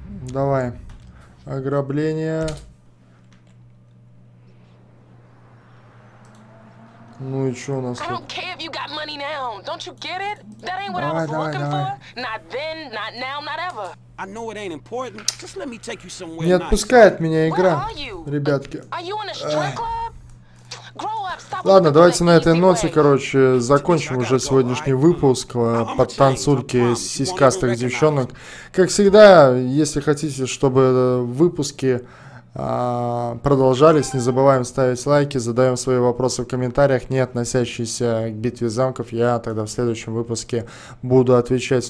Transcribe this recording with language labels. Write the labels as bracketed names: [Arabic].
[Russian] Давай. Ограбление. Ну и что у нас тут? [English] I don't care if you got money now. Don't you get it? That ain't what I was looking for. Not then, not now, not ever. I know it ain't important. Just let me take you somewhere. [Russian] Не отпускает меня игра, ребятки. [English] Are you in a strip club? Grow up, stop. [Russian] Ладно, давайте на этой ноте, короче, закончим уже сегодняшний выпуск под танцульки сиськастых девчонок. Как всегда, если хотите, чтобы выпуски продолжались, не забываем ставить лайки, задаем свои вопросы в комментариях, не относящиеся к битве замков, я тогда в следующем выпуске буду отвечать.